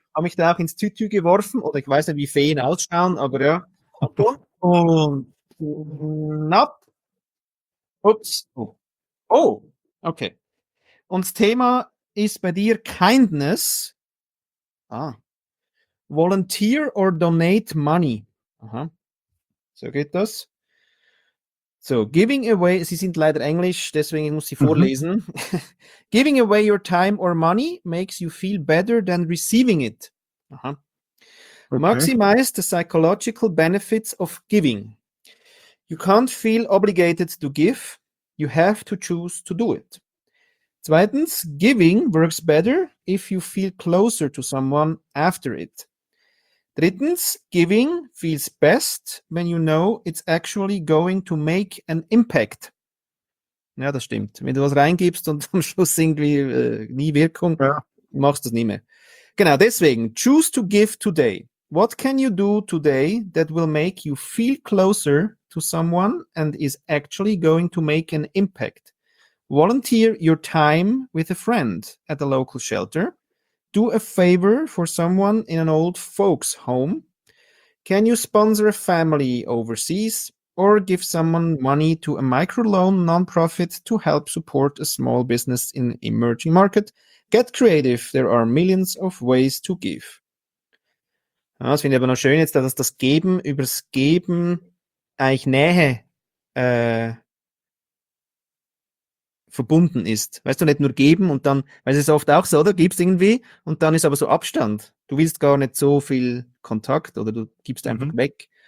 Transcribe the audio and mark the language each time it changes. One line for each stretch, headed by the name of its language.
German: Habe mich da auch ins Tütü geworfen, oder ich weiß nicht, wie Feen ausschauen, aber ja. Und knapp. Ups. Oh, okay. Und das Thema ist bei dir Kindness. Ah.
English: Volunteer or donate money.
German: Aha. So geht das.
English: So, giving away,
German: sie sind leider Englisch, deswegen ich muss sie vorlesen.
English: Giving away your time or money makes you feel better than receiving it. Aha. Okay. Maximize the psychological benefits of giving. You can't feel obligated to give. You have to choose to do it. Zweitens, giving works better if you feel closer to someone after it. Drittens, giving feels best when you know it's actually going to make an impact.
German: Ja, das stimmt. Wenn du was reingibst und am Schluss irgendwie nie Wirkung, Ja. machst du es nie mehr. Genau, deswegen,
English: choose to give today. What can you do today that will make you feel closer to someone and is actually going to make an impact? Volunteer your time with a friend at a local shelter. Do a favor for someone in an old folks home. Can you sponsor a family overseas or give someone money to a microloan nonprofit to help support a small business in an emerging market? Get creative. There are millions of ways to give.
German: Ja, das finde ich aber noch schön jetzt, dass das Geben übers Geben eigentlich Nähe verbunden ist. Weißt du, nicht nur geben und dann, weil es ist oft auch so, oder? Gibst irgendwie und dann ist aber so Abstand. Du willst gar nicht so viel Kontakt oder du gibst einfach weg.